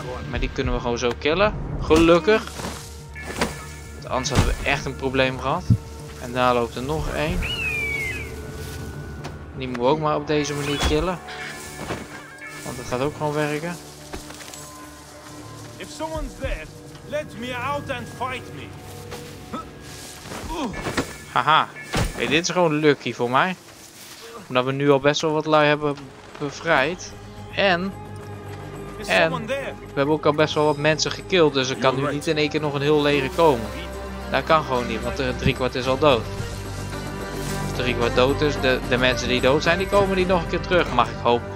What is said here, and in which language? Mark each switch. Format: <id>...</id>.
<nl>Maar die kunnen we gewoon zo killen. Gelukkig. Want anders hadden we echt een probleem gehad. En daar loopt er nog één. Die moeten we ook maar op deze manier killen. Want dat gaat ook gewoon werken.</nl> <en>If someone's there, let me out and fight me.</en> <nl>Haha, hey, dit is gewoon lucky voor mij. Omdat we nu al best wel wat lui hebben bevrijd. En we hebben ook al best wel wat mensen gekild, dus er kan nu niet in één keer nog een heel leger komen. Dat kan gewoon niet, want de driekwart is al dood. Of de driekwart dood is, de mensen die dood zijn, die komen niet nog een keer terug, mag ik hopen.</nl>